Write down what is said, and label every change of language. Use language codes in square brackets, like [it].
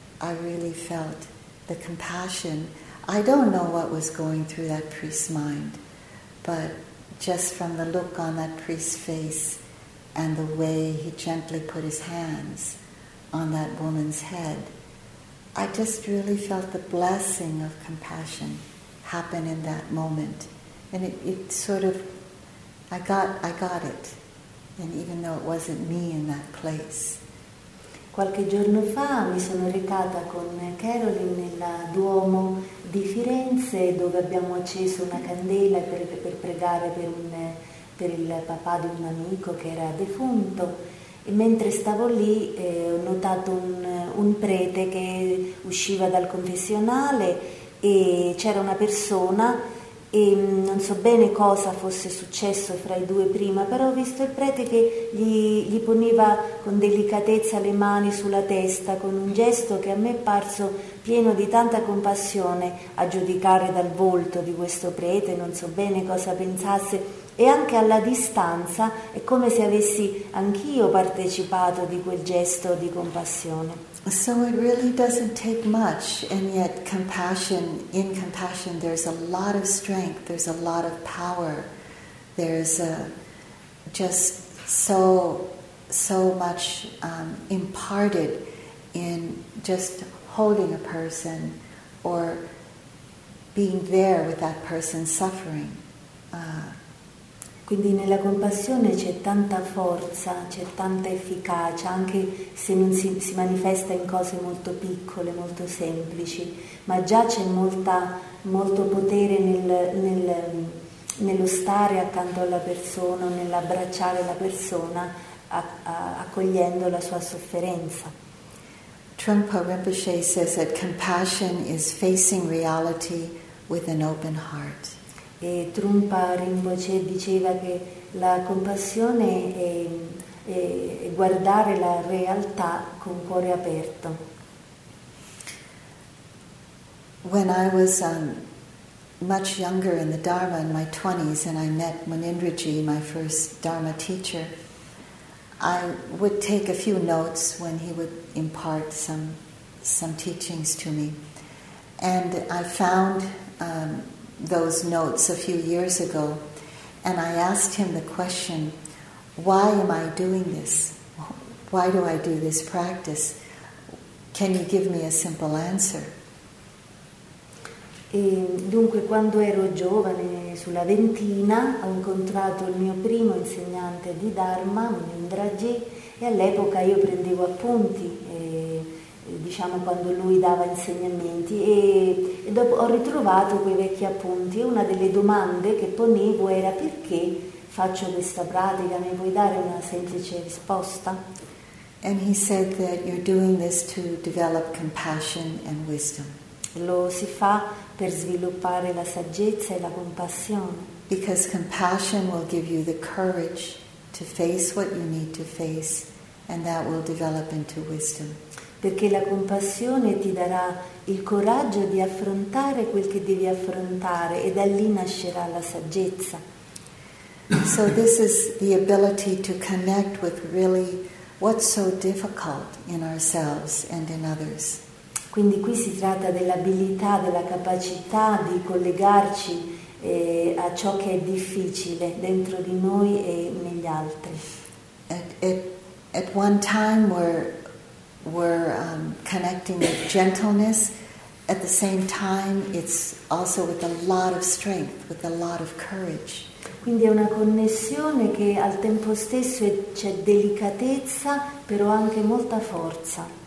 [en] I really felt the compassion. I don't know what was going through that priest's mind, but just from the look on that priest's face and the way he gently put his hands on that woman's head, I just really felt the blessing of compassion happen in that moment. And it sort of, I got it. And even though it wasn't me in that place. [it] Qualche giorno fa mi sono recata con Caroline nella Duomo di Firenze, dove abbiamo acceso una candela per pregare per il papà di un amico che era defunto. E mentre stavo lì ho notato un prete che usciva dal confessionale e c'era una persona e non so bene cosa fosse successo fra i due prima, però ho visto il prete che gli poneva con delicatezza le mani sulla testa con un gesto che a me è parso pieno di tanta compassione, a giudicare dal volto di questo prete, non so bene cosa pensasse, e anche alla distanza è come se avessi anch'io partecipato di quel gesto di compassione. [en] So it really doesn't take much, and yet compassion, in compassion there's a lot of strength, there's a lot of power, there's just so much imparted in just holding a person or being there with that person suffering. [it] Quindi nella compassione c'è tanta forza, c'è tanta efficacia, anche se non si manifesta in cose molto piccole, molto semplici, ma già c'è molto potere nello stare accanto alla persona, nell'abbracciare la persona, accogliendo la sua sofferenza. [en] Trungpa Rinpoche says that compassion is facing reality with an open heart. [it] E Trungpa Rinpoche diceva che la compassione è guardare la realtà con cuore aperto. [en] When I was much younger in the Dharma, in my 20s, and I met Munindraji, my first Dharma teacher, I would take a few notes when he would impart some teachings to me. And I found those notes a few years ago, and I asked him the question, why am I doing this? Why do I do this practice? Can you give me a simple answer? [it] E dunque, quando ero giovane, sulla ventina, ho incontrato il mio primo insegnante di Dharma, Munindraji, e all'epoca io prendevo appunti, diciamo quando lui dava insegnamenti, e dopo ho ritrovato quei vecchi appunti e una delle domande che ponevo era: perché faccio questa pratica? Mi puoi dare una semplice risposta? [en] And he said that you're doing this to develop compassion and wisdom. [it] Lo si fa per sviluppare la saggezza e la compassione. [en] Because compassion will give you the courage to face what you need to face, and that will develop into wisdom. [it] Perché la compassione ti darà il coraggio di affrontare quel che devi affrontare, e da lì nascerà la saggezza. [en] So this is the ability to connect with really what's so difficult in ourselves and in others. [it] Quindi qui si tratta dell'abilità, della capacità di collegarci a ciò che è difficile dentro di noi e negli altri. [en] At one time we're connecting with gentleness, at the same time it's also with a lot of strength, with a lot of courage. [it] Quindi è una connessione che al tempo stesso c'è delicatezza, però anche molta forza.